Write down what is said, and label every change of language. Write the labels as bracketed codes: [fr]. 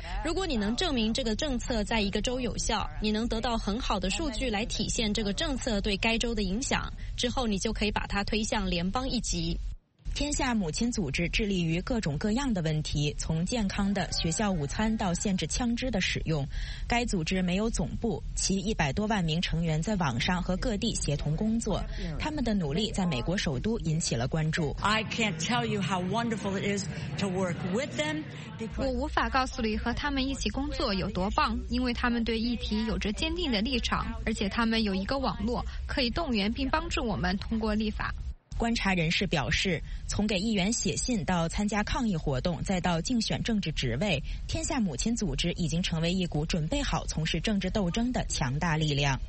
[zh] 如果你能证明这个政策在一个州有效，你能得到很好的数据来体现这个政策对该州的影响，之后你就可以把它推向联邦一级。天下母亲组织致力于各种各样的问题，从健康的学校午餐到限制枪支的使用。该组织没有总部，其100多万名成员在网上和各地协同工作。他们的努力在美国首都引起了关注。 [en] I can't tell you how wonderful it is to work with them. [zh] 我无法告诉你和他们一起工作有多棒，因为他们对议题有着坚定的立场，而且他们有一个网络可以动员并帮助我们通过立法。观察人士表示，从给议员写信到参加抗议活动，再到竞选政治职位，天下母亲组织已经成为一股准备好从事政治斗争的强大力量。